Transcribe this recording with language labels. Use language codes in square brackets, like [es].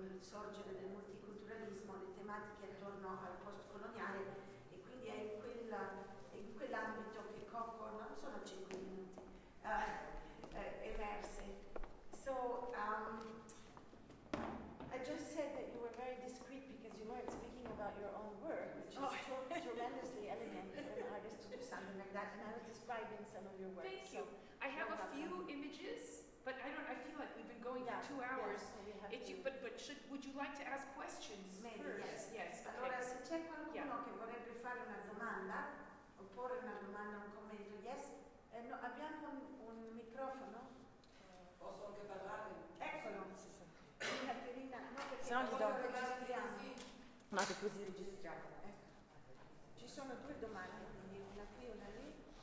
[it] Sorgere del multiculturalismo, le tematiche tematiche attorno al postcoloniale, e quindi è quella, è in quell'ambito che Coco, non sono 5 minuti, emerse. [en] So, I just said that you were very discreet because you weren't speaking about your own work, which is tremendously elegant for an artist to do something like that, and I was describing some of your work. Thank so you. I have a few images, but I don't. I feel like we've been going for 2 hours. Yes, it's you, but should, would you like to ask questions? Maybe, first? Yes. Yes. Okay. [it] Allora, se c'è qualcuno che vorrebbe fare una domanda, oppure una domanda, un commento, yes? No, abbiamo un microfono? Posso anche parlare? Eccolo. Caterina, no, perché se no ti do sì. Ma che così registriamo, eh? Ci sono due domande, quindi una qui e una lì.